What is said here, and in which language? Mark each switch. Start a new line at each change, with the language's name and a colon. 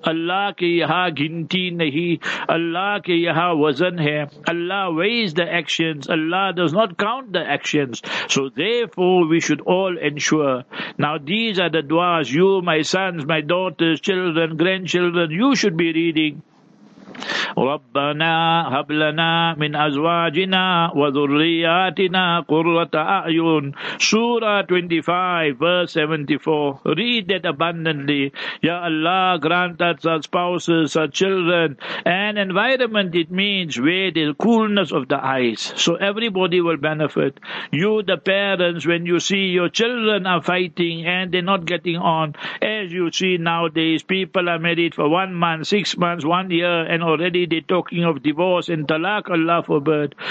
Urdu: Allah ke yaha ginti nahi, Allah ke yaha wazan hai.
English: Allah weighs the actions, Allah does not count the actions. So therefore we should all ensure. Now these are the duas, you, my sons, my daughters, children, grandchildren, you should be reading.
Arabic: ربنا هب لنا من أزواجنا وذرياتنا قرة أعين.
English: Surah 25, verse 74. Read that abundantly. Ya Allah, grant us our spouses, our children, and environment, it means where the coolness of the eyes. So everybody will benefit. You, the parents, when you see your children are fighting and they're not getting on, as you see nowadays, people are married for 1 month, 6 months, 1 year, and already they're talking of divorce and talaq, Allah forbid.